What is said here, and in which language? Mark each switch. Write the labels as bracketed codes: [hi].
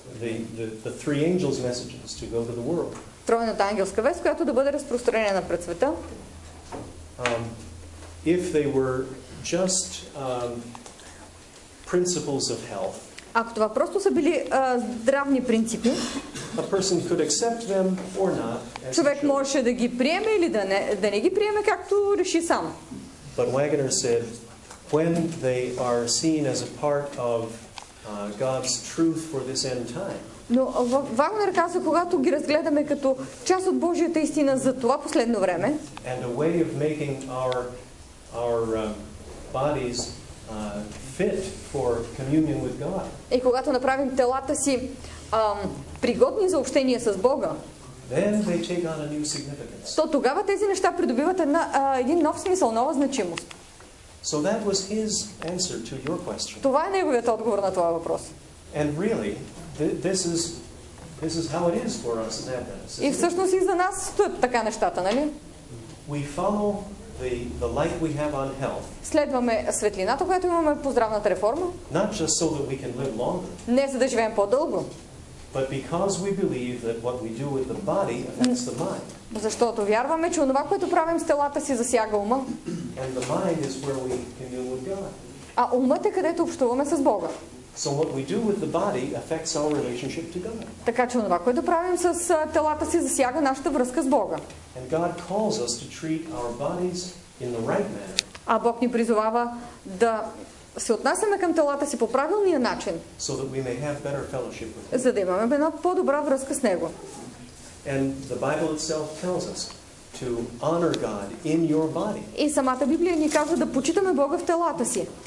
[en] The three angels messages to go to the world. [bg] Тройната ангелска вест, която да бъде разпространена пред света. [en] If they were just principles of health. [bg] Ако това просто са били здравни принципи, [en] a person could accept them or not, [bg] човек можеше да ги приеме или да не ги приеме, както реши сам. [en] But Wagner said, when they are seen as a part of God's truth for this end time. [bg] Но Вагнер каза, когато ги разгледаме като част от Божията истина за това последно време, [en] and a way of making our bodies fit for communion with God. [bg] И когато направим телата си пригодни за общение с Бога, [en] then they take on a new significance. [bg] То тогава тези неща придобиват един нов смисъл, нова значимост. [en] So that was his answer to your question. [bg] Това е неговият отговор на твоя въпрос. [en] And really, this is how it is for us as Adventists. [bg] И всъщност и за нас стоят така нещата, нали? [en] We follow the light we have on health. [bg] Следваме светлината, която имаме по здравната реформа. [en] Not just so that we can live longer. [bg] Не за да живеем по-дълго. [en] But because we believe that what we do with the body affects the mind. [bg] Защото вярваме, че онова, което правим с телата си, засяга ума. [en] And the mind is where we commune with God. [bg] А умът е където общуваме с Бога. [en] So what we do with the body affects our relationship to God. [bg] Така че онова, което правим с телата си, засяга нашата връзка с Бога. [en] And God calls us to treat our bodies in the right manner. [bg] А Бог ни призовава да се отнасяме към телата си по правилния начин. [en] So that we may have better fellowship with Him. [bg] За да имаме една по-добра връзка с Него. [en] And the Bible itself tells us to honor God in your body. [bg] И самата Библия ни казва да почитаме Бога в телата си.